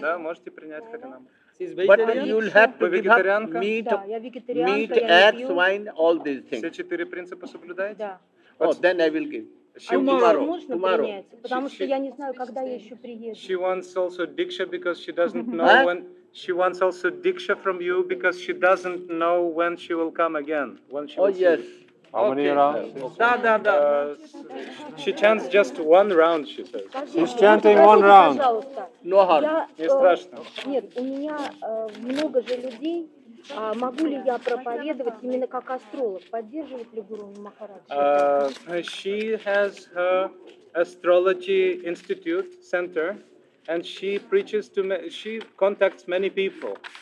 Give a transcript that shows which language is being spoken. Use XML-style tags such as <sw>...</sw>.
<ru>Да, можете принять Харинам.</ru> <en>But you'll have to give up meat, eggs, wine, all these things.</en> <ru>Все четыре принципа соблюдаете? Да.</ru> <en>Oh, then I will give. Tomorrow. Tomorrow.</en> <ru>Потому что я не знаю, когда я еще приеду.</ru> <en>She wants also diksha because she doesn't know when. She wants also diksha from you because she doesn't know when she will come again. When she oh yes. How many rounds?</en> <ru>Okay. Da, da, da.</ru> <en>She chants just one round, she says. She's chanting one round. No harm.</en> <ru>Не страшно. Нет, у меня много же людей. Могу ли я проповедовать именно как астролог? Поддерживает ли Гуру Махарадж?</ru> <en>She has her astrology institute center, and she preaches to she contacts many people.</en>